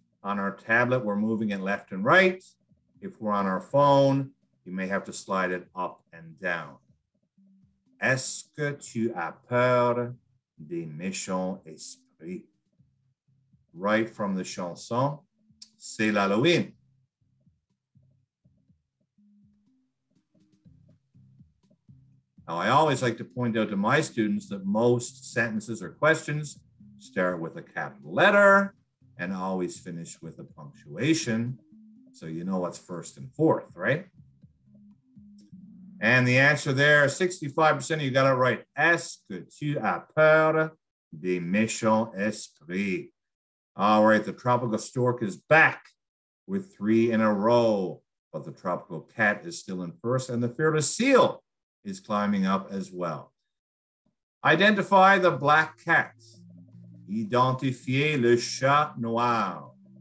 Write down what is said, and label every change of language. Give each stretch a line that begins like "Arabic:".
English: On our tablet, we're moving it left and right. If we're on our phone, you may have to slide it up and down.
French: Est-ce que tu as peur des méchants esprits?
English: Right from the
French: chanson, c'est l'Halloween.
English: Now, I always like to point out to my students that most sentences or questions start with a capital letter and always finish with a punctuation. So you know what's first and fourth, right? And the answer there, 65% of you got it right.
French: Est-ce que tu as peur des méchants esprits?
English: All right, the tropical stork is back with three in a row, but the tropical cat is still in first and the fearless seal is climbing up as well. Identify the black cat.
French: Identifier le chat noir.